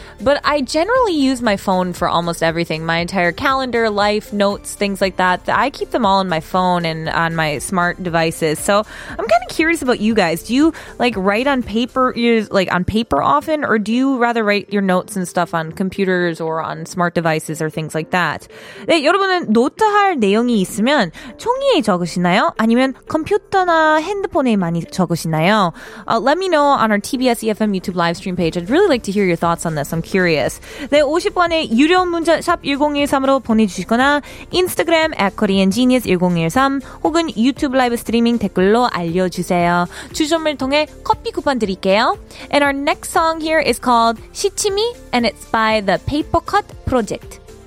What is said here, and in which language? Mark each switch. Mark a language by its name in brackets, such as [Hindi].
[English] But I generally use my phone for almost everything. My entire calendar, life, notes, things like that. I keep them all on my phone and on my smart devices. So I'm kind of curious about you guys. Do you like write on paper, like on paper often? Or do you rather write your notes and stuff on computers or on smart devices or things like that? [Korean] 네, 여러분은 노트할 내용이 있으면 종이에 적으시나요? 아니면 컴퓨터나 핸드폰에 많이 적으시나요? [English] Let me know on our TBS EFM YouTube live stream page. I'd really like to hear your thoughts on this. I'm curious. [Korean] 네, 50번에 유료 문자 샵 1013으로 보내주시거나 인스타그램 @koreangenius1013 혹은 유튜브 라이브 스트리밍 댓글로 알려주세요. 주점을 통해 커피 쿠폰 드릴게요. [English] And our next song here is called 시치미 and it's by the Papercut Project.